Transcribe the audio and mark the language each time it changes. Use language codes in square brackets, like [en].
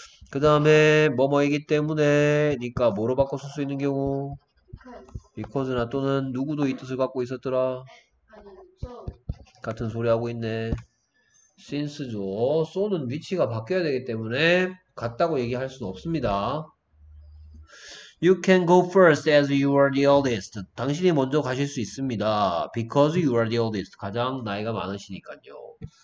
[ko] 그 다음에 뭐뭐이기 때문에 니까 뭐로 바꿔 쓸 수 있는 경우 because나 또는 누구도 이 뜻을 갖고 있었더라 같은 소리 하고 있네 since죠 so는 위치가 바뀌어야 되기 때문에 같다고 얘기할 수는 없습니다. [en] You can go first as you are the oldest. [ko] 당신이 먼저 가실 수 있습니다. [en] Because you are the oldest. [ko] 가장 나이가 많으시니까요.